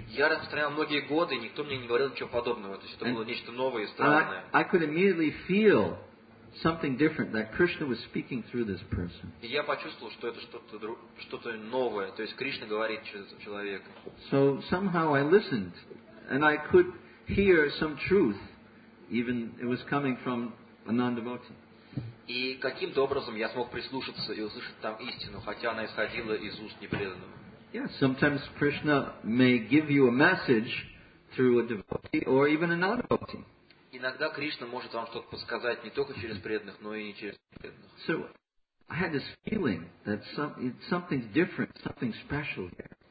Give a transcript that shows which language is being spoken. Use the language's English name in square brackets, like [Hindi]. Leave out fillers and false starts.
[Russian] Я распространял многие годы, и никто мне не говорил ничего подобного. То есть это было нечто новое и странное. [English] I could immediately feel something different, that Krishna was speaking through this person. [Russian] И я почувствовал, что это что-то новое, то есть Кришна говорит через этого человека. [English] So somehow I listened, and I could hear some truth, even it was coming from a non-devotee. [Russian] И каким-то образом я смог прислушаться и услышать там истину, хотя она исходила из уст непреданного. [English] Yeah, sometimes Krishna may give you a message through a devotee or even a non-devotee. [Russian] Иногда Кришна может вам что-то подсказать не только через преданных, но и не через преданных. [English] So, I had this feeling that something's different, something special here.